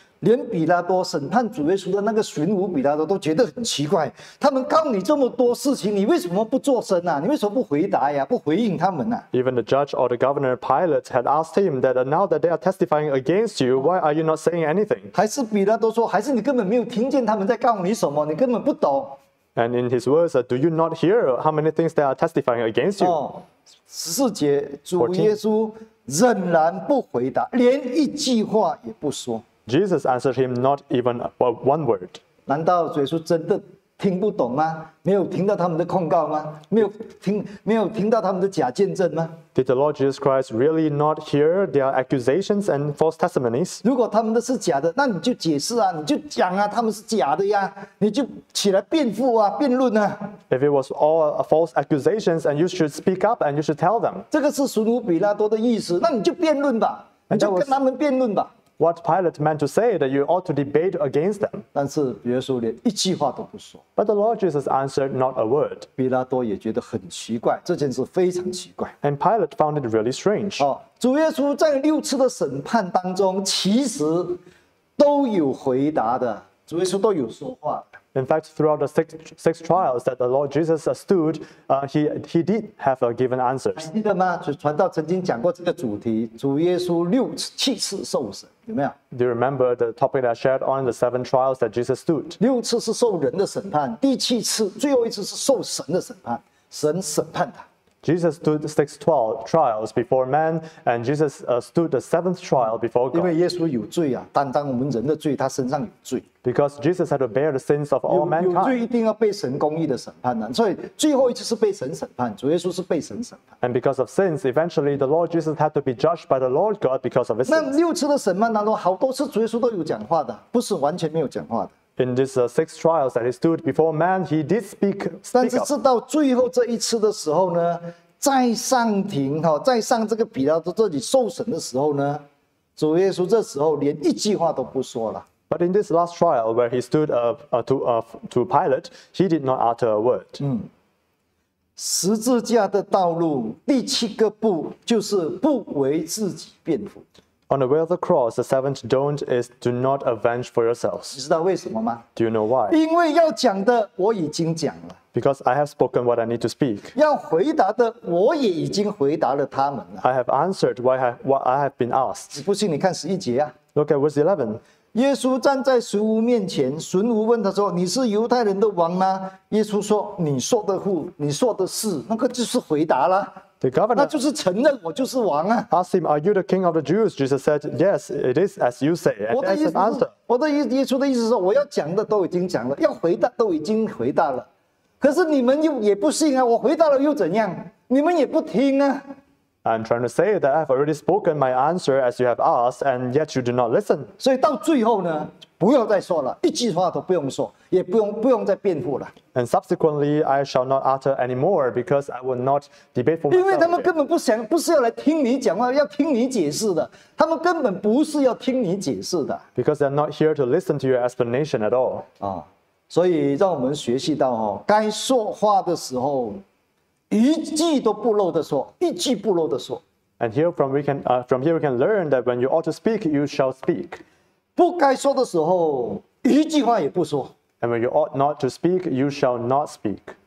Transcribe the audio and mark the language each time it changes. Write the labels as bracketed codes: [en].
[zh] 连比拉多审判主耶稣的那个巡抚比拉多都觉得很奇怪，他们告你这么多事情，你为什么不作声啊？你为什么不回答呀？不回应他们啊 [en] ？Even the judge or the governor Pilate had asked him that now that they are testifying against you, why are you not saying anything? [zh] 还是比拉多说，还是你根本没有听见他们在告你什么，你根本不懂。 [en] And in his words, do you not hear how many things they are testifying against you? [zh] 十四节，主耶稣仍然不回答，连一句话也不说。 [en] Jesus answered him not even one word. [zh] 难道主耶稣真的听不懂吗？没有听到他们的控告吗？没有听到他们的假见证吗？ [en] Did the Lord Jesus Christ really not hear their accusations and false testimonies? [zh] 如果他们的是假的，那你就解释啊，你就讲啊，他们是假的呀，你就起来辩护啊，辩论啊。 [en] If it was all false accusations, and you should speak up and you should tell them. [zh] 这个是巡抚比拉多的意思，那你就辩论吧，你就跟他们辩论吧。 [en] What Pilate meant to say that you ought to debate against them. [zh] 但是耶稣连一句话都不说。 [en] But the Lord Jesus answered not a word. [zh] 比拉多也觉得很奇怪，这件事非常奇怪。 [en] And Pilate found it really strange. [zh] 哦，主耶稣在六次的审判当中，其实都有回答的，主耶稣都有说话。 [en] In fact, throughout the six trials that the Lord Jesus stood, he did have given answers. [zh] 还记得吗？传道曾经讲过这个主题，主耶稣六次七次受审，有没有？ [en] Do you remember the topic that I shared on the seven trials that Jesus stood? [zh] 六次是受人的审判，第七次，最后一次是受神的审判，神审判他。 [en] Jesus stood six trials before man, and Jesus stood the seventh trial before God. [zh] 因为耶稣有罪啊，担当我们人的罪，他身上有罪。 [en] Because Jesus had to bear the sins of all mankind. [zh] 有罪一定要被神公义的审判呢、啊，所以最后一次是被神审判，主耶稣是被神审判。 [en] And because of sins, eventually the Lord Jesus had to be judged by the Lord God because of his sins. [zh] 那六次的审判当中，好多次主耶稣都有讲话的，不是完全没有讲话的。 [en] In these six trials that he stood before man, he did speak. [zh] 但是直到最后这一次的时候呢，在上庭哈，在上这个比拉多这里受审的时候呢，主耶稣这时候连一句话都不说了。 [en] But in this last trial where he stood to Pilate, he did not utter a word. [zh] 十字架的道路第七个步就是不为自己辩护。 [en] On the way of the cross, the seventh don't is do not avenge for yourselves. [zh] 你知道为什么吗？ [en] Do you know why? [zh] 因为要讲的我已经讲了。 [en] Because I have spoken what I need to speak. [zh] 要回答的我也已经回答了他们了。 [en] I have answered what I have been asked. [zh] 你不信你看十一节啊。 [en] Look at verse 11. [zh] 耶稣站在巡抚面前，巡抚问他说：“你是犹太人的王吗？” 耶稣说：“你说的乎，你说的是。” 那个就是回答了。 [en] The governor [zh] 那就是承认我就是王啊。 [en] Asked him, "Are you the king of the Jews?" Jesus said, "Yes, it is as you say." And [zh] 我的意思是，我的意思，耶稣的意思是，我要讲的都已经讲了，要回答都已经回答了，可是你们又也不信啊，我回答了又怎样？你们也不听啊。 [en] I'm trying to say that I've already spoken my answer as you have asked, and yet you do not listen. [zh] 所以到最后呢，不要再说了，一句话都不用说，也不用再辩护了。 [en] And subsequently, I shall not utter any more because I will not debate for myself. [zh] 因为他们根本不想，不是要来听你讲话，要听你解释的。他们根本不是要听你解释的。 [en] Because they're not here to listen to your explanation at all. [zh] 所以让我们学习到哦，该说话的时候。一句都不漏的说，一句不漏的说。 [en] And here from here we can learn that when you ought to speak, you shall speak. [zh] 不该说的时候，一句话也不说。 [en] And when you ought not to speak, you shall not speak.